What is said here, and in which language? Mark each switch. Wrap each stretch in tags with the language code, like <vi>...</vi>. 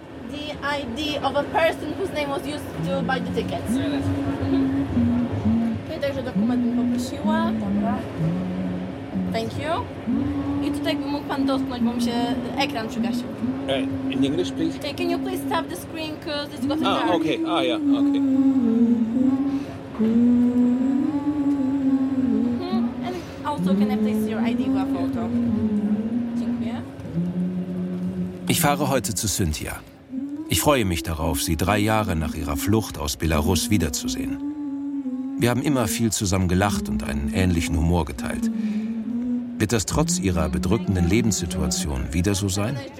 <en>The ID of a person whose name was used to buy the tickets.</en> <pl>Także dokument bym poprosiła.</pl> <en>Thank you.</en> <pl>I tutaj by mógł pan dosknąć, bo mi się ekran przygasił.</pl> <en>In English, please. Okay, can you please tap the screen, because it's got a charge. Okay. Ah, yeah. Okay. And also, can I place your ID with a photo?</en> <de>Ich fahre heute zu Cynthia. Ich freue mich darauf, sie 3 Jahre nach ihrer Flucht aus Belarus wiederzusehen. Wir haben immer viel zusammen gelacht und einen ähnlichen Humor geteilt. Wird das trotz ihrer bedrückenden Lebenssituation wieder so sein?</de>